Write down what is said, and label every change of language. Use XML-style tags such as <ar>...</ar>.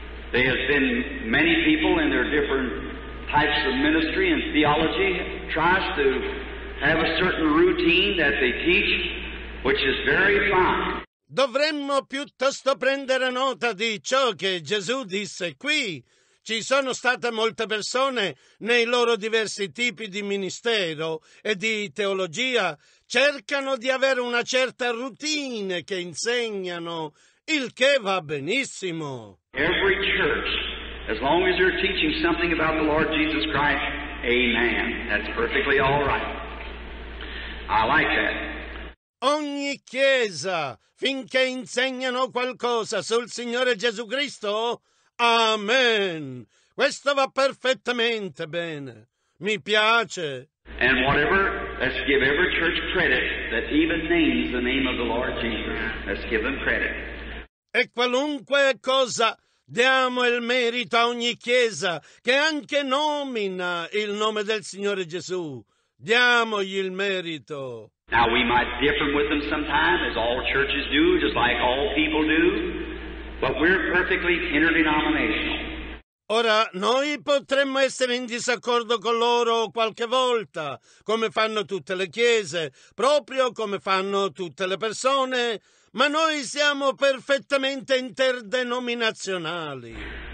<en>There have been many people in their different types of ministry and theology tries to have a certain routine that they teach, which is very fine.</en> <it>Dovremmo piuttosto prendere nota di ciò che Gesù disse qui. Ci sono state molte persone nei loro diversi tipi di ministero e di teologia cercano di avere una certa routine che insegnano, il che va benissimo.</it> <en>Every church, as long as you're teaching something about the Lord Jesus Christ, amen. That's perfectly all right. I like that.</en> <it>Ogni chiesa, finché insegnano qualcosa sul Signore Gesù Cristo, amen. Questo va perfettamente bene. Mi piace.</it> <en>And whatever, let's give every church credit that even names the name of the Lord Jesus. Let's give them credit.</en> <it>E qualunque cosa, diamo il merito a ogni chiesa che anche nomina il nome del Signore Gesù. Diamogli il merito.</it> <en>Now we might differ with them sometimes, as all churches do, just like all people do. But we're perfectly interdenominational.</en> <it>Ora, noi potremmo essere in disaccordo con loro qualche volta, come fanno tutte le chiese, proprio come fanno tutte le persone, ma noi siamo perfettamente interdenominazionali.</it>